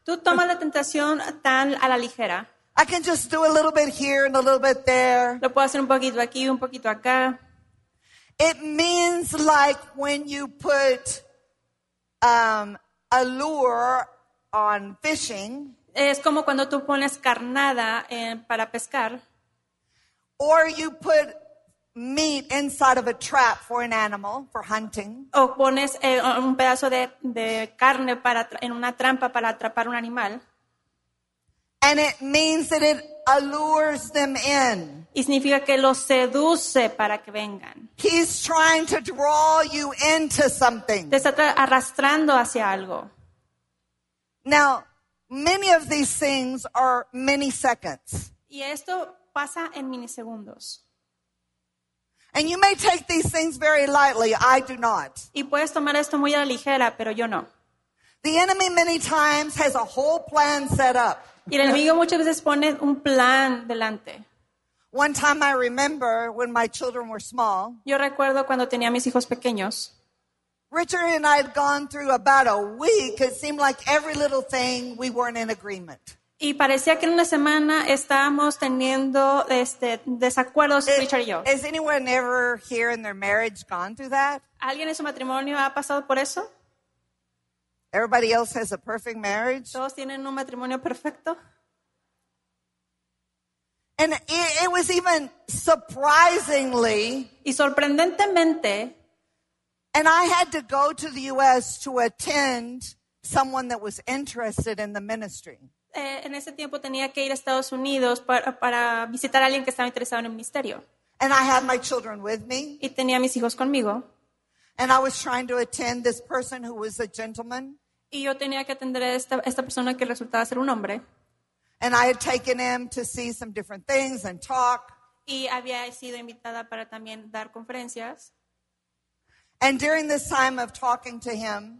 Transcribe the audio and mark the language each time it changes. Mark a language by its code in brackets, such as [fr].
[es] Tú tomas la tentación tan a la ligera. [en] I can just do a little bit here and a little bit there. [es] Lo puedo hacer un poquito aquí, un poquito acá. [en] It means like when you put a lure on fishing. [es] Es como cuando tú pones carnada para pescar. [en] Or you put meat inside of a trap for an animal for hunting. [es] O pones un pedazo de carne para en una trampa para atrapar un animal. [en] And it means that it allures them in. [es] Y significa que los seduce para que vengan. [en] He's trying to draw you into something. [es] Te está arrastrando hacia algo. [en] Now, many of these things are many seconds. [es] Y esto pasa en milisegundos. [en] And you may take these things very lightly. I do not. [es] Y puedes tomar esto muy a la ligera, pero yo no. [en] The enemy many times has a whole plan set up. [es] Y el enemigo muchas veces pone un plan delante. [en] One time I remember when my children were small. [es] Yo recuerdo cuando tenía mis hijos pequeños. [en] Richard and I had gone through about a week. It seemed like every little thing we weren't in agreement. [es] Y parecía que en una semana estábamos teniendo desacuerdos, Richard y yo. [en] Has anyone ever here in their marriage gone through that? [es] ¿Alguien en su matrimonio ha pasado por eso? [en] Everybody else has a perfect marriage. [es] Todos tienen un matrimonio perfecto. [en] And it was even surprisingly, [es] y sorprendentemente, [en] And I had to go to the U.S. to attend someone that was interested in the ministry. [es] En ese tiempo tenía que ir a Estados Unidos para visitar a alguien que estaba interesado en el ministerio. [en] And I had my children with me. [es] Y tenía mis hijos conmigo. [en] And I was trying to attend this person who was a gentleman. [es] Y yo tenía que atender a esta persona que resultaba ser un hombre. [en] And I had taken him to see some different things and talk. [es] Y había sido invitada para también dar conferencias. [en] And during this time of talking to him,